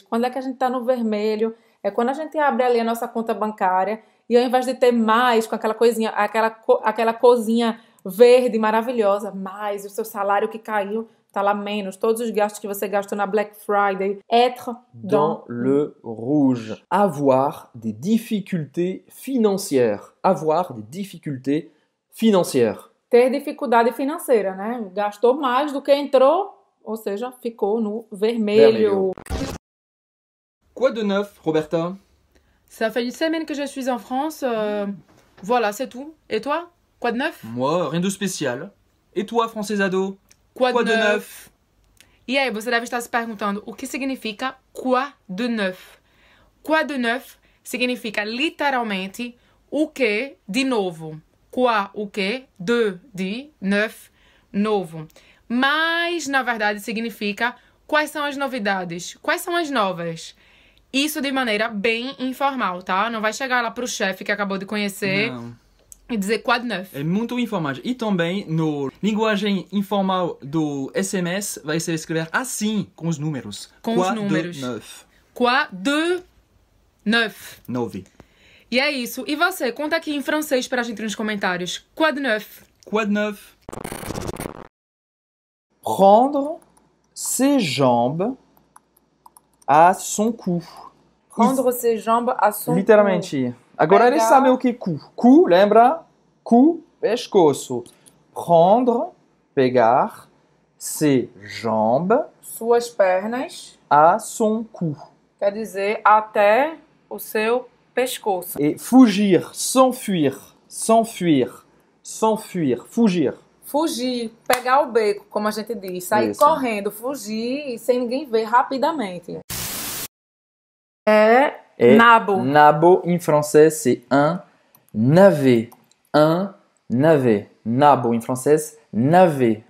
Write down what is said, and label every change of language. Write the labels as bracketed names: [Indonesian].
[Portuguese] Quando é que a gente está no vermelho? É quando a gente abre ali a nossa conta bancária e ao invés de ter mais com aquela coisinha, aquela cozinha verde maravilhosa, mais o seu salário que caiu, tá lá menos, todos os gastos que você gastou na Black Friday. [French] Être dans le rouge. Avoir des difficultés financières. Avoir des difficultés financières. [Portuguese] Ter dificuldade financeira, né? Gastou mais do que entrou, ou seja, ficou no vermelho. [French] Quoi de neuf, Roberta? Ça fait une semaine que je suis en France. Voilà, c'est tout. Et toi? Quoi de neuf? Moi, rien de spécial. Et toi, Française ado? Quoi de neuf? [Portuguese] E aí, você deve estar se perguntando o que significa [French] quoi de neuf? Quoi de neuf [Portuguese] significa literalmente o que de novo. Quoi, o que, de, neuf, novo. Mas, na verdade, significa quais são as novidades, quais são as novas. Isso de maneira bem informal, tá? Não vai chegar lá pro chefe que acabou de conhecer. Não. E dizer [French] quoi de neuf. [Portuguese] É muito informal. E também, no linguagem informal do SMS, vai ser escrever assim, com os números. Com [French] quoi [Portuguese] os números. [French] De neuf. Quoi de neuf. [Portuguese] Nove. E é isso. E você, conta aqui em francês para a gente nos comentários. [French] Quoi de neuf. Quoi de neuf. Rendre ses jambes à son cou. Rendre ses jambes à son cou. [Portuguese] Literalmente. Agora eles sabem o que cu. Cu, lembra? Cu, pescoço. Prendre, pegar, ses jambes. Suas pernas. [French] À son cou. [Portuguese] Quer dizer, até o seu pescoço. [French] E fugir, s'enfuir, s'enfuir, s'enfuir, fugir. [Portuguese] Fugir, pegar o beco, como a gente diz. Sair isso. Correndo, fugir, sem ninguém ver, rapidamente. É... [French] Et [Portuguese] nabo. Nabo em francês é un navet. [French] Un navet. [Portuguese] Nabo em francês, navet.